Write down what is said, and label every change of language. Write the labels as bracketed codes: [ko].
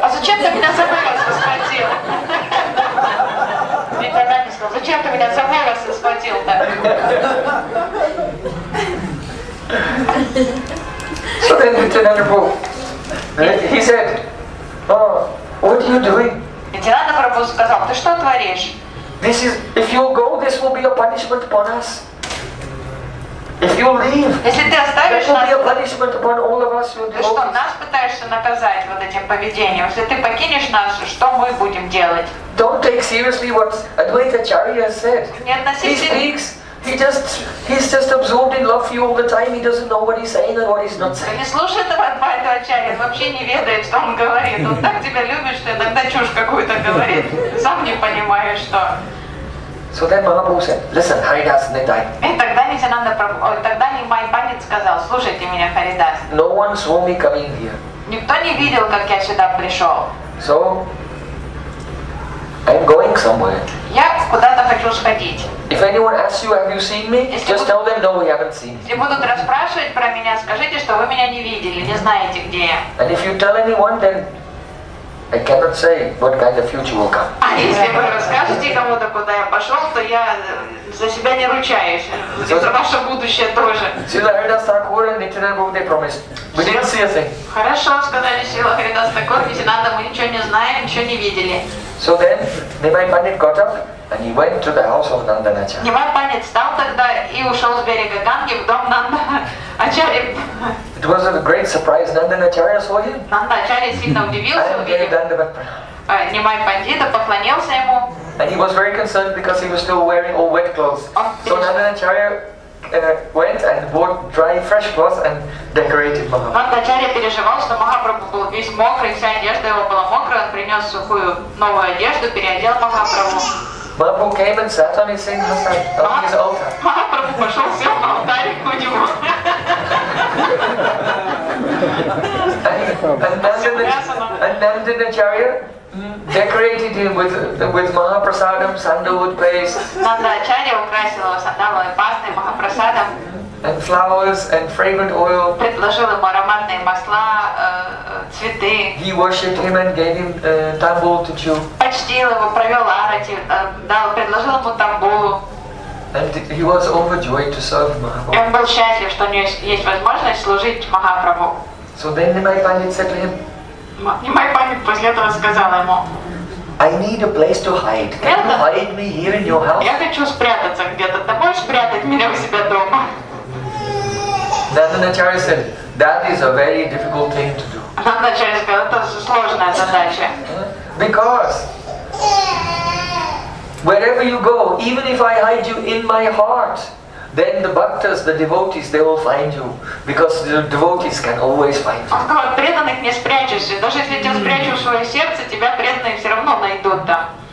[ru] А зачем ты меня за волосы схватил? Зачем ты меня за волосы схватил так? [en] So then Nityananda Prabhu, he said, oh, what are you doing? [ru] Nityananda Prabhu сказал, ты что творишь? [en] This is, if you go, this will be a punishment upon us. If you leave, [ru] если ты оставишь [en] that will be a punishment upon all of us. [ru] Ты что, нас пытаешься наказать вот этим поведением? Если ты покинешь нас, что мы будем делать? [en] Don't take seriously what Advaita Acharya said. He's just absorbed in love for you all the time. He doesn't know what he's saying and what he's not saying. [ru] Не слушает Адвайта Ачарья, вообще не ведает, что он говорит. Он так тебя любит, что иногда чушь какую-то говорит. Сам не понимаешь, что. [en] So then Mahaprabhu said, listen, Haridas Nitai. [ru] Тогда Нимай Пандит сказал, слушайте меня, Харидас. [en] No one saw me coming here. [ru] Никто не видел, как я сюда пришел. [en] So, I'm going somewhere. [ru] Я куда-то хочу сходить. [en] If anyone asks you, have you seen me? Just tell them, no, we haven't seen you. [ru] Если будут расспрашивать про меня, скажите, что вы меня не видели, не знаете, где я. [en] And if you tell anyone, then I cannot say what kind of future will come. [ru] А если вы расскажете кому-то, куда я пошел, то я за себя не ручаюсь. И за ваше будущее тоже. [en] Сила Харидас Такур и Нитинанда Прабху, they promised. We didn't see a thing. [ru] Хорошо, сказали Сила Харидас Такур, Нитинанда, мы ничего не знаем, ничего не видели. [en] So then, Nimai Pandit got up and he went to the house of Nandana Acharya. [ru] Nimai Pandit встал тогда и ушел с берега Ганги в дом Нанда Ачарья. [en] It was a great surprise. Нандана Ачарья saw him. [ru] Нанда Ачарья сильно удивился, увидев Nimai Pandit, поклонился ему. [en] And he was very concerned because he was still wearing all wet clothes. So Nandana Acharya went and bought dry fresh clothes and decorated Mahaprabhu. [ru] Nanda Acharya переживал, что Махапрабху был весь мокрый, вся одежда его была мокрая, он принес сухую новую одежду, переодел Махапрабху. [en] Mahaprabhu came and sat on his singhasana, on his altar. [ru] Махапрабху пошел, сел на алтарик у него. [en] And Nanda Acharya decorated him with Mahaprasadam, sandalwood paste. [ru] Nanda Acharya украсил его сандаловой пастой, Mahaprasadam. [en] And flowers and fragrant oil. [ru] Предложил ему ароматные масла, цветы. [en] He worshipped him and gave him tambul to chew. [ru] Почтил его, провел арати, дал, предложил ему тамбулу. [en] And he was overjoyed to serve Mahaprabhu. [ru] Он был счастлив, что у него есть возможность служить Махапрабху. [en] So then Nimai Pandit said to him, [ru] Нимай Пандит после этого сказал ему, [en] I need a place to hide. Can you hide me here in your house? [ru] Я хочу спрятаться где-то. Ты можешь спрятать меня у себя дома? [en] Nandana Acharya said, that is a very difficult thing to do. [ru] Nandana Acharya сказал, это сложная задача. [en] Because wherever you go, even if I hide you in my heart, then the bhaktas, the devotees, they will find you. Because the devotees can always find you. [ru] Он говорит, преданных не спрячешься. Даже если тебя спрячу в свое сердце, тебя преданные все равно найдут там.